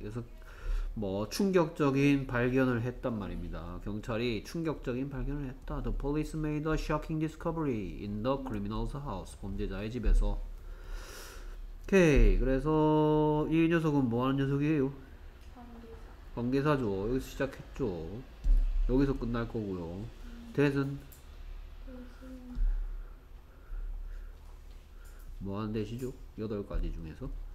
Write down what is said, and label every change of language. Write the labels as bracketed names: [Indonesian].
[Korean] 그래서 뭐 충격적인 발견을 했단 말입니다. 경찰이 충격적인 발견을 했다. [English] The police made a shocking discovery in the criminal's house. [Korean] 범죄자의 집에서. 오케이. 그래서 이 녀석은 뭐 하는 녀석이에요? 관계사죠. 여기서 시작했죠. 여기서 끝날 거고요. 대신 뭐 하는 대시죠? 8가지 중에서.